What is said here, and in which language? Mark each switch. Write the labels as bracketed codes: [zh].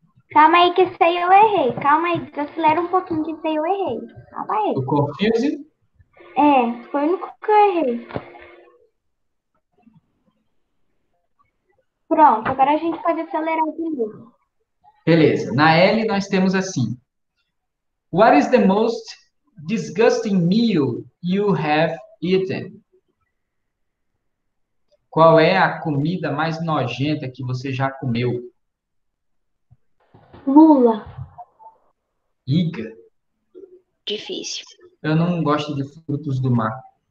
[pt] Calma aí que sei eu errei. Calma aí, acelera um pouquinho que sei eu errei. Calma aí. O confusing? É, foi no que eu errei. Pronto, agora a gente pode acelerar de novo. Beleza, na L nós temos assim. [en] What is the most disgusting meal you have eaten? [pt] Qual é a comida mais nojenta que você já comeu? Lula. Iga. Difícil. Eu não gosto de frutos do mar.